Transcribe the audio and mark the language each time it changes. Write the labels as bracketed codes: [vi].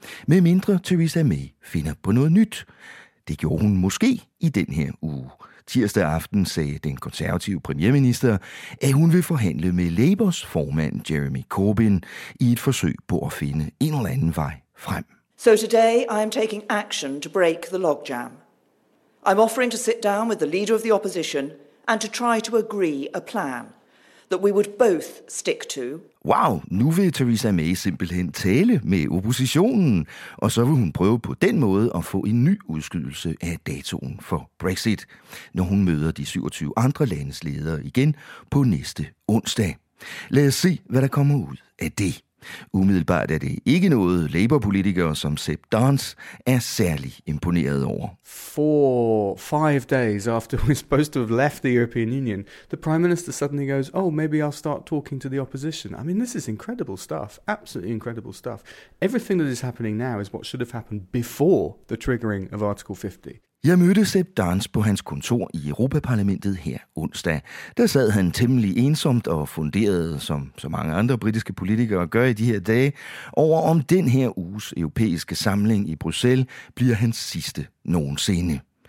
[da] Med mindre Theresa May finder på noget nyt. Det gjorde hun måske i den her uge. Tirsdag aften sagde den konservative premierminister, at hun vil forhandle med Labours formand Jeremy Corbyn i et forsøg på at finde en eller anden vej frem. [en] So today I am taking action to break the logjam. I'm offering to sit down with the leader of the opposition and to try to agree a plan that we would both stick to. [da] Wow, nu vil Theresa May simpelthen tale med oppositionen, og så vil hun prøve på den måde at få en ny udskydelse af datoen for Brexit, når hun møder de 27 andre landes ledere igen på næste onsdag. Lad os se, hvad der kommer ud af det. Umiddelbart er det ikke noget, Labour-politikere som Sepp Dance er særlig imponeret over. [en] Five days after we're supposed to have left the European Union, the Prime Minister suddenly goes, oh, maybe I'll start talking to the opposition. I mean, this is incredible stuff, absolutely incredible stuff. Everything that is happening now is what should have happened before the triggering of Article 50. [da] Jeg mødte Sepp Dance på hans kontor i Europaparlamentet her onsdag. Der sad han temmelig ensomt og funderede, som så mange andre britiske politikere gør i de her dage, over om den her uges europæiske samling i Bruxelles bliver hans sidste nogensinde.